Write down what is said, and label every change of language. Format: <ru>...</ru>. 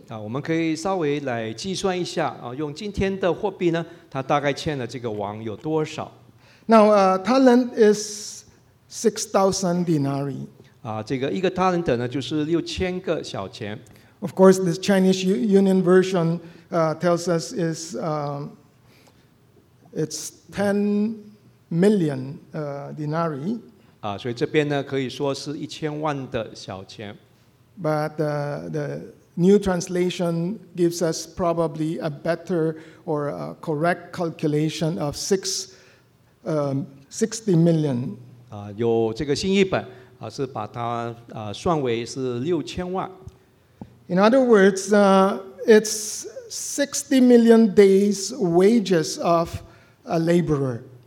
<zh>我们可以稍微来计算一下，用今天的货币呢，他大概欠了这个王有多少。</zh> <en>Now, talent is 6,000 denarii.</en> <zh>这个一个 talent 呢，就是6,000个小钱。</zh> <en>Of course, this Chinese Union version tells us is It's 10 million denarii.</en> <zh>所以这边呢可以说是1000万的小钱。</zh> <en>But the new translation gives us probably a better or a correct calculation of 60 million.</en> <zh>有这个新译本是把它算为是6000万。</zh> <en>In other words, it's 60 million days wages of a laborer.</en>